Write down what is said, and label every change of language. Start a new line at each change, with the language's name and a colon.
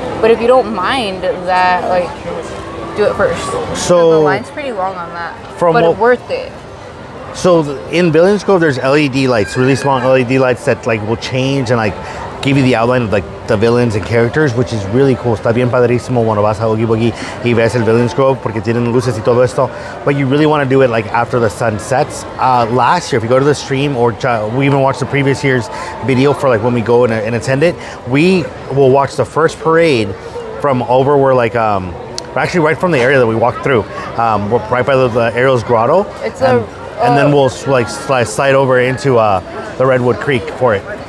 English: But if you don't mind that, like, do it first. So the line's pretty long on that, but worth it. So in Villains Grove, there's LED lights, really small LED lights that like will change and like give you the outline of like the villains and characters, which is really cool.
Spanish: Está bien padrísimo cuando vas a Oogie Boogie y ves el Villains Grove porque tienen luces y todo esto.
English: But you really want to do it like after the sun sets. Last year, if you go to the stream or we even watch the previous year's video for like when we go and attend it, we will watch the first parade from over where like actually right from the area that we walked through. We're right by the Ariel's Grotto. And then we'll like slide over into the Redwood Creek for it.